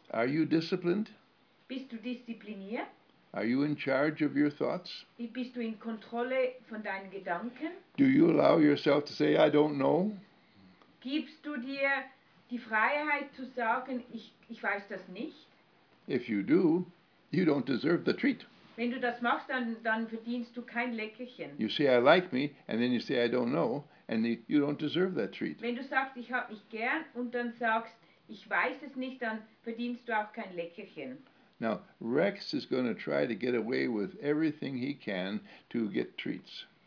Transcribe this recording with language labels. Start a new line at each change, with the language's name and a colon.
English: Are you disciplined?
German: Bist du diszipliniert?
English: Are you in charge of your thoughts?
German: Bist du in Kontrolle von deinen Gedanken?
English: Do you allow yourself to say, I don't know?
German: Gibst du dir die Freiheit zu sagen, ich weiß das nicht?
English: If you do, you don't deserve the treat.
German: Wenn du das machst, dann verdienst du kein Leckerchen.
English: You say, I like me, and then you say, I don't know, and you don't deserve that treat.
German: Wenn du sagst, ich hab mich gern, und dann sagst, Ich weiß es nicht, dann verdienst du auch kein Leckerchen.
English: Now, Rex is going to try to get away with everything he can to get treats.